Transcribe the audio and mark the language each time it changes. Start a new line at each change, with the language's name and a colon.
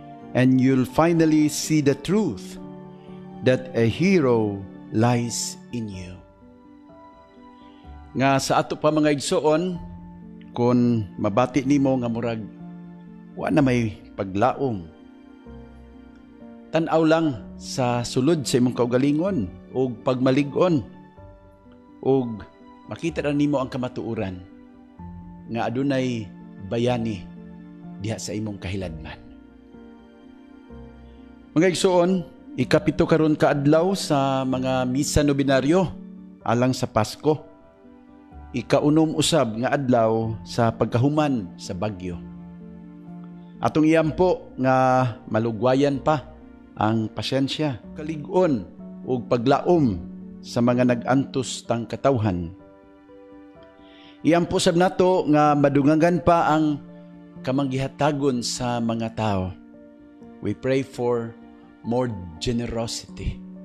English: And you'll finally see the truth that a hero lies in you."
Cebuano: Nga sa ato pa mga igsoon, kung mabati nimo nga murag wa na may paglaom, tan-aw lang sa sulod sa imong kaugalingon o pagmalig-on o makita na nimo ang kamatuuran nga adunay bayani diha sa imong kahiladman. Mga igsoon, ikapito karon kaadlaw sa mga misa nobinaryo alang sa Pasko. Ikaunom usab nga adlaw sa pagkahuman sa Bagyo. Atong iampo nga malugwayan pa ang pasyensya, kalig-on o paglaom sa mga nag-antos tang katawhan. Iampo sab nato nga madungangan pa ang kamanggihatagon sa mga tao.
English: We pray for more generosity.